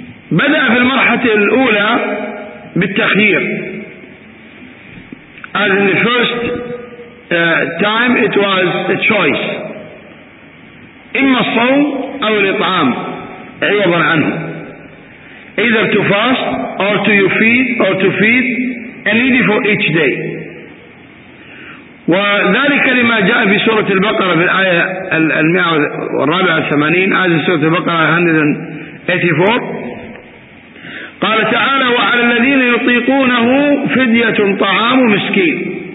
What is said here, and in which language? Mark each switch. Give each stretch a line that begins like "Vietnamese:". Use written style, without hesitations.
Arabic: بدأ في المرحلة الأولى بالتخيير.
English: As in the first time it was a choice.
Arabic: إما الصوم أو الإطعام عوضا عنه.
English: Either to fast or to feed a needy for each day.
Arabic: وذلك لما جاء في سورة البقرة في الآية 184,
English: as in
Arabic: سورة البقرة 184. قال تعالى وعلى الذين يطيقونه فدية طعام مسكين.